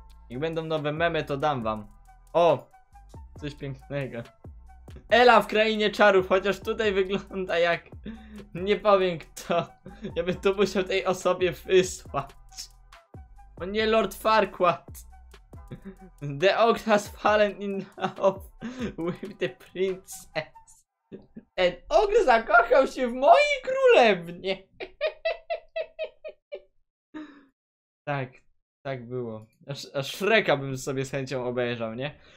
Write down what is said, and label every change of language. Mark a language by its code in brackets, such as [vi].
[pl] Jak będą nowe memy, to dam wam. O, coś pięknego. Ela w Krainie Czarów, chociaż tutaj wygląda jak... Nie powiem kto. Ja bym to musiał tej osobie wysłać. O nie, Lord Farquaad. [en] The Ogre has fallen in love with the princess. [pl] Ten Ogre zakochał się w mojej królewnie. Tak, tak było. Aż Shreka bym sobie z chęcią obejrzał, nie?